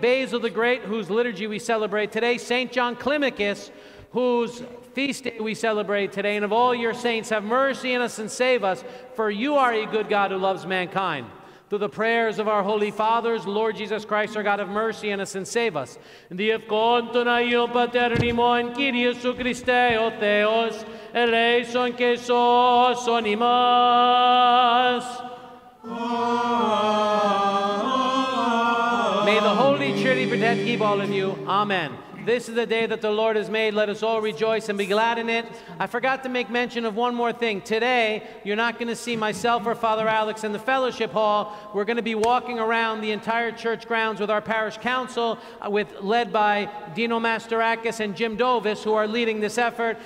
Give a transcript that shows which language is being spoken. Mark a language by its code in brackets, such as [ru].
[en] Basil the Great, whose liturgy we celebrate today, St. John Climacus, whose feast day we celebrate today, and of all your saints, have mercy on us and save us, for you are a good God who loves mankind. Through the prayers of our holy fathers, Lord Jesus Christ, our God, have mercy on us and save us. [el] And the ευχών των Αγίων Πατέρων ημών, Κύριε Σου Χριστέ, ο Θεός, ελέησον και σώσον ημάς. [en] May the Holy Trinity protect keep all of you. Amen. This is the day that the Lord has made. Let us all rejoice and be glad in it. I forgot to make mention of one more thing. Today, you're not going to see myself or Father Alex in the fellowship hall. We're going to be walking around the entire church grounds with our parish council, led by Dino Mastarakis and Jim Dovis, who are leading this effort.